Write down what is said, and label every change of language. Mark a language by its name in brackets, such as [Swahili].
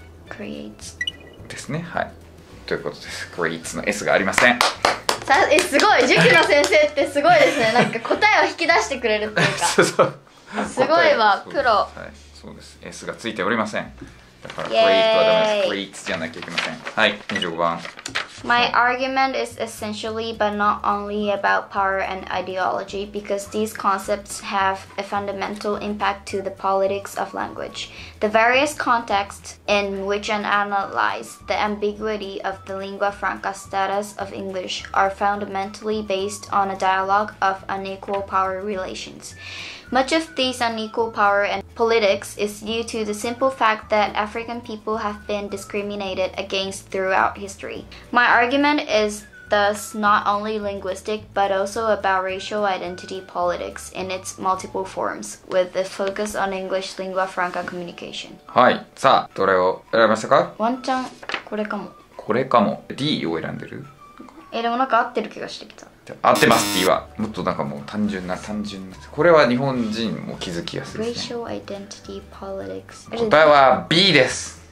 [English] creates [Japanese] ですね、はい、ということです。 creates の S がありません。さ、え、すごい、塾の先生ってすごいですね。なんか答えを引き出してくれるっていうか。そうそう、すごいわ、プロ。はい、そうです、 S がついておりません。だから create はダメです、creates じゃなきゃいけません。はい、25番。 [English] My argument is essentially but not only about power and ideology, because these concepts have a fundamental impact to the politics of language. The various contexts in which I analyze the ambiguity of the lingua franca status of English are fundamentally based on a dialogue of unequal power relations. Much of these unequal power and politics is due to the simple fact that African people have been discriminated against throughout history. My argument is thus not only linguistic, but also about racial identity politics in its multiple forms, with a focus on English lingua franca communication. [Japanese] はい、さあ、どれを選びましたか？ワンちゃん、これかも。これかも。D を選んでる？え、でもなんか合ってる気がしてきた。合ってます、D は。もっとなんかもう単純な。これは日本人も気づきやすいですね。 [English] racial identity politics。 [Japanese] 答えは B です。